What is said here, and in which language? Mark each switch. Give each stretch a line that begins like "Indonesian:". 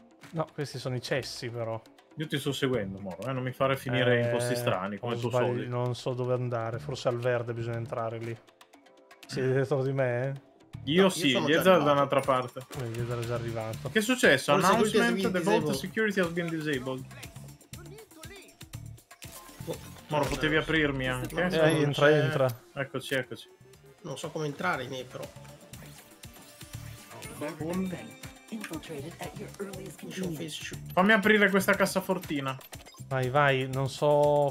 Italian: No, questi sono i cessi, però. Io ti sto seguendo, Moro, non mi fare finire in posti strani, come tu soli. Non so dove andare, forse al verde bisogna entrare lì. Siete dietro di me, Io no, sì, Yezar da un'altra parte. Yezar è già arrivato. Che è successo? Forse
English: announcement, the vault security has been disabled.
Italian: Moro, potevi aprirmi anche? Entra, entra. Eccoci, eccoci. Non so come entrare in però. Fammi aprire questa cassafortina. Vai, vai, non so...